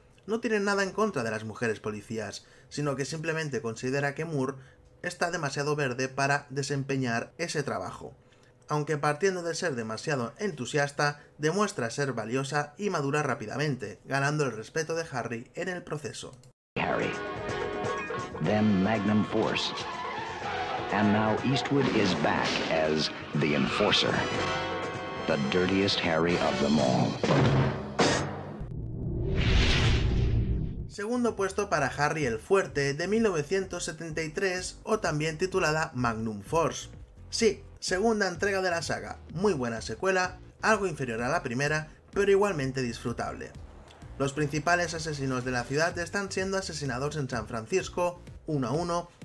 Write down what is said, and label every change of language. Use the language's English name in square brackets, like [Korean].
[Spanish] No tiene nada en contra de las mujeres policías, sino que simplemente considera que Moore está demasiado verde para desempeñar ese trabajo. Aunque partiendo de ser demasiado entusiasta, demuestra ser valiosa y madura rápidamente, ganando el respeto de Harry en el proceso. [English] Harry, them Magnum Force. And now Eastwood is back as the Enforcer, the dirtiest Harry of them all. [Spanish] Segundo puesto para Harry el Fuerte de 1973, o también titulada Magnum Force. Sí, segunda entrega de la saga, muy buena secuela, algo inferior a la primera, pero igualmente disfrutable. Los principales asesinos de la ciudad están siendo asesinados en San Francisco, uno a uno.